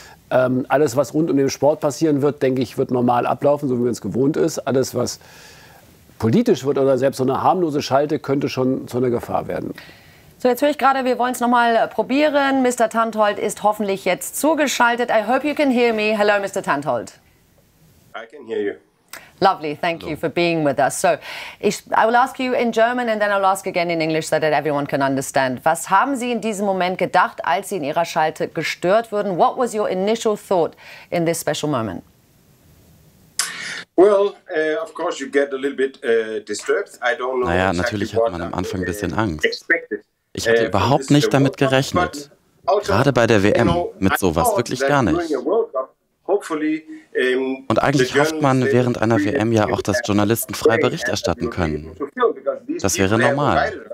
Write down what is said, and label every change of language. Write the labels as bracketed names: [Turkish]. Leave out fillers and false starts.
[German] Alles, was rund um den Sport passieren wird, denke ich, wird normal ablaufen, so wie man es gewohnt ist. Alles, was politisch wird oder selbst so eine harmlose Schalte, könnte schon zu einer Gefahr werden. So, jetzt höre ich gerade, wir wollen es noch mal probieren. Mr. Tantholt ist hoffentlich jetzt zugeschaltet. [English] I hope you can hear me. Hello, Mr. Tantholt. I can hear you. Lovely, thank Hello. You for being with us. So, I will ask you in German and then I'll ask again in English so that everyone can understand. [German] Was haben Sie in diesem Moment gedacht, als Sie in Ihrer Schalte gestört wurden? [English] What was your initial thought in this special moment? Well, of course you get a little bit disturbed. I don't know. [German] Naja, natürlich hat man am Anfang ein bisschen Angst. Ich hatte überhaupt nicht damit gerechnet. Gerade bei der WM mit sowas wirklich gar nicht. Und eigentlich hofft man während einer WM ja auch, dass Journalisten frei Bericht erstatten können. Das wäre normal.